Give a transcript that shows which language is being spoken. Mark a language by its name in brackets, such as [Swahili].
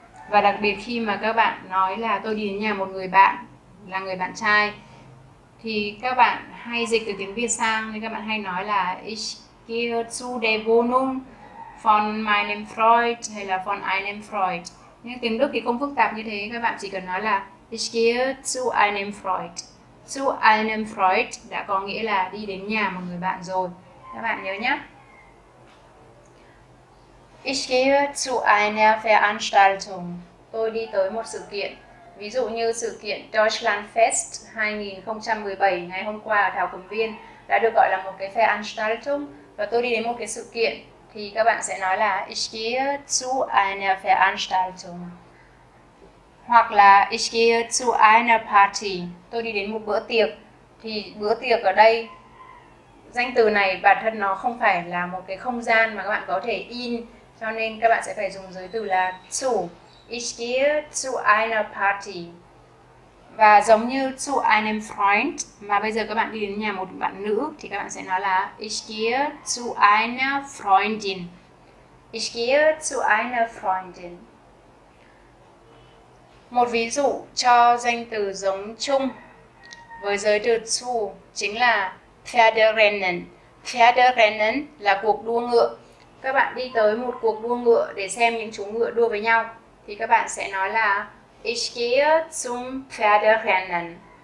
[Vietnamese] Và đặc biệt khi mà các bạn nói là tôi đi đến nhà một người bạn, là người bạn trai, thì các bạn hay dịch từ tiếng Việt sang, nên các bạn hay nói là [German] ich gehe zu der Wohnung von meinem Freund [Vietnamese] hay là von einem Freund. Nhưng tiếng Đức thì không phức tạp như thế, các bạn chỉ cần nói là [German] ich gehe zu einem Freund. Zu einem Freund [Vietnamese] đã có nghĩa là đi đến nhà một người bạn rồi. Các bạn nhớ nhé. [German] Ich gehe zu einer Veranstaltung. [Vietnamese] Tôi đi tới một sự kiện. Ví dụ như sự kiện Deutschlandfest 2017 ngày hôm qua ở Thảo Cầm Viên đã được gọi là một cái Veranstaltung và tôi đi đến một cái sự kiện thì các bạn sẽ nói là [German] ich gehe zu einer Veranstaltung. [Vietnamese] Hoặc là [German] ich gehe zu einer Party, [Vietnamese] tôi đi đến một bữa tiệc. Thì bữa tiệc ở đây, danh từ này bản thân nó không phải là một cái không gian mà các bạn có thể in, cho nên các bạn sẽ phải dùng giới từ là zu. [German] Ich gehe zu einer Party. [Vietnamese] Và giống như zu einem Freund, mà bây giờ các bạn đi đến nhà một bạn nữ thì các bạn sẽ nói là [German] ich gehe zu einer Freundin. Ich gehe zu einer Freundin. [Vietnamese] Một ví dụ cho danh từ giống chung với giới từ zu chính là Pferderennen. Pferderennen là cuộc đua ngựa. Các bạn đi tới một cuộc đua ngựa để xem những chú ngựa đua với nhau thì các bạn sẽ nói là [German] Ich gehe zum Pferderennen.